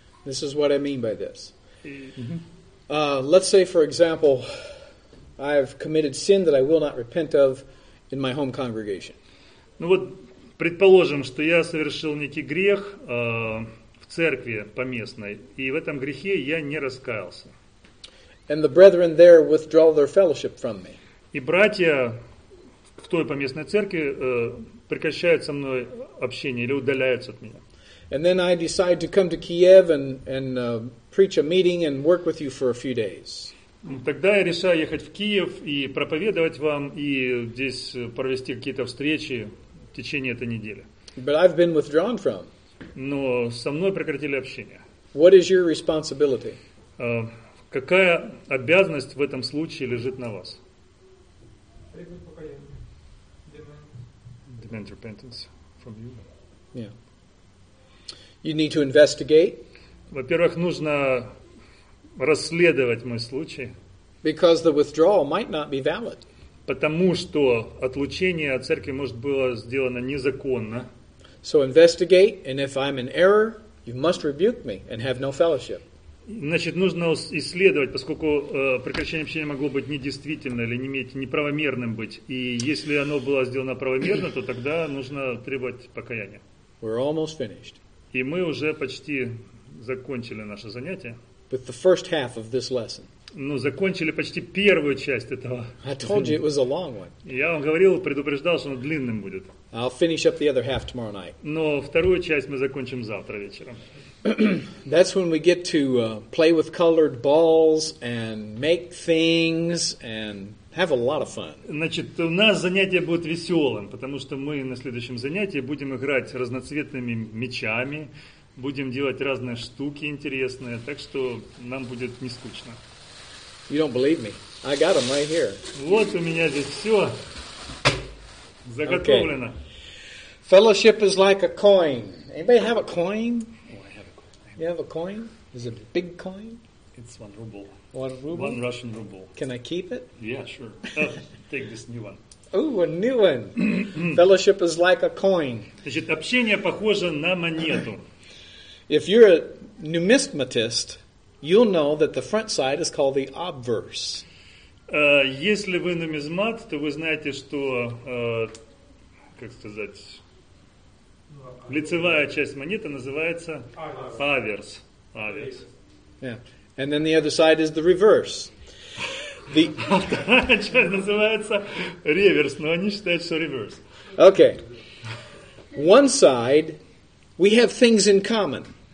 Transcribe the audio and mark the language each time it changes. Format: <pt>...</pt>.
<en>This is what I mean by this. Let's say, for example, I've committed sin that I will not repent of in my home congregation.</en> <ru>Ну вот, предположим, что я совершил некий грех в церкви поместной, и в этом грехе я не раскаялся.</ru> <en>And the brethren there withdraw their fellowship from me.</en> <ru>И братья в той поместной церкви прекращают со мной общение или удаляются от меня.</ru> <en>And then I decide to come to Kiev and preach a meeting and work with you for a few days.</en> <ru>Тогда я решаю ехать в Киев и проповедовать вам и здесь провести какие-то встречи в течение этой недели.</ru> <en>But I've been withdrawn from.</en> <ru>Но со мной прекратили общение.</ru> <en>What is your responsibility?</en> <ru>Какая обязанность в этом случае лежит на вас? Требует покаяния.</ru> <en>Demand repentance from you. Yeah. You need to investigate.</en> <ru>Во-первых, нужно расследовать мой случай.</ru> <en>Because the withdrawal might not be valid.</en> <ru>Потому что отлучение от церкви может было сделано незаконно.</ru> <en>So investigate, and if I'm in error, you must rebuke me and have no fellowship.</en> <ru>Значит, нужно исследовать, поскольку прекращение общения могло быть недействительным или неправомерным быть. И если оно было сделано правомерно, то тогда нужно требовать покаяния.</ru> <en>We're almost finished.</en> <ru>И мы уже почти закончили наше занятие.</ru> <en>With the first half of this lesson.</en> <ru>Ну, закончили почти первую часть этого.</ru> <en>I told you it was a long one.</en> <ru>Я вам говорил, предупреждал, что он длинным будет.</ru> <en>I'll finish up the other half tomorrow night.</en> <ru>Но вторую часть мы закончим завтра вечером.</ru> <en>That's when we get to play with colored balls and make things and have a lot of fun.</en> <ru>Значит, у нас занятие будет веселым, потому что мы на следующем занятии будем играть разноцветными мечами. Будем делать разные штуки интересные, так что нам будет не скучно.</ru> <en>You don't believe me. I got them right here.</en> <ru>Вот у меня здесь все заготовлено.</ru> <en>Okay. Fellowship is like a coin. Anybody have a coin? Oh, I have a coin. You have a coin? Is it a big coin? It's 1 ruble. 1 ruble? 1 Russian ruble. Can I keep it? Yeah, sure. Take this new one. Ooh, a new one. Fellowship is like a coin.</en> <ru>Значит, общение похоже на монету.</ru> <en>If you're a numismatist, you'll know that the front side is called the obverse.</en> <ru>Если вы нумизмат, то вы знаете, что, как сказать, лицевая часть монеты называется аверс. Аверс.</ru> <en>Yeah. And then the other side is the reverse.</en> <ru>The вторая часть называется реверс, но они считают, что реверс.</ru> <en>Okay. One side, we have things in common.</en>